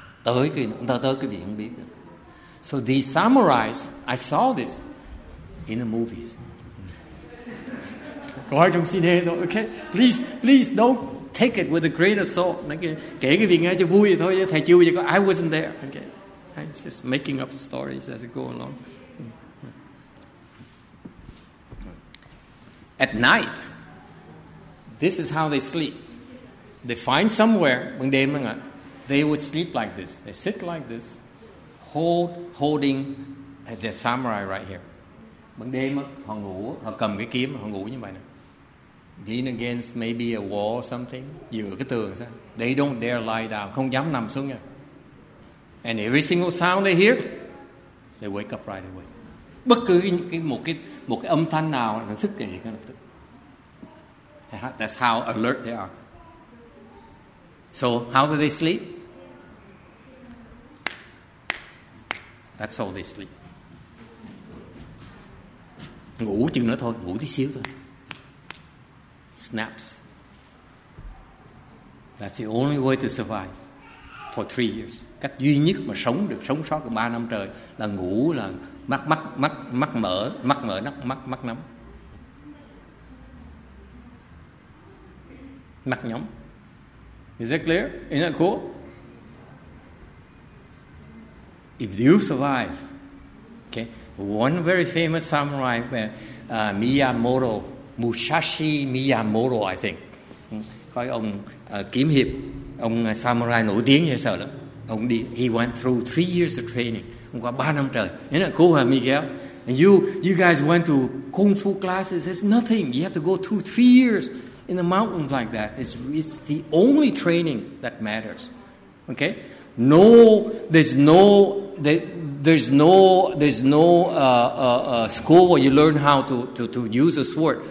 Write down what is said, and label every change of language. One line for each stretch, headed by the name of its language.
Vietnamese: Tới cái gì không biết được.
English: So these samurais, I saw this in the movies.
Vietnamese: Có trong cine thôi,
English: okay? Please don't take it with a grain of salt.
Vietnamese: Kể cái việc nghe cho vui thôi, thầy chưa bao giờ có,
English: I wasn't there, okay? I'm just making up stories as I go along. At night, this is how they sleep. They find somewhere, when they mang up, they would sleep like this. They sit like this, holding their samurai right here.
Vietnamese: Bằng đêm họ ngủ, họ cầm cái kiếm, họ ngủ như vậy nè.
English: Lean against maybe a wall or something,
Vietnamese: dựa cái tường sao.
English: They don't dare lie down,
Vietnamese: không dám nằm xuống nha.
English: And every single sound they hear, they wake up right away.
Vietnamese: Bất cứ một cái âm thanh nào là thức dậy cái lập tức.
English: That's how alert they are. So how do they sleep? That's all they sleep.
Vietnamese: Ngủ chừng đó thôi, ngủ tí xíu thôi.
English: Snaps. That's the only way to survive for 3 years.
Vietnamese: Cách duy nhất mà sống được, sống sót được 3 năm trời là ngủ, là mắt mở, mắt nắm. Mắt nhắm.
English: Is that clear? Isn't that cool? If you survive, okay, one very famous samurai, Miyamoto, Musashi Miyamoto, I think.
Vietnamese: Có ông kiếm hiệp, ông samurai nổi tiếng như sợ lắm. Ông đi,
English: he went through 3 years of training.
Vietnamese: Ông qua 3 năm trời.
English: Isn't that cool, Miguel? And you guys went to kung fu classes. It's nothing. You have to go through 3 years in the mountains like that. It's the only training that matters. Okay? No, there's no school where you learn how to use a sword.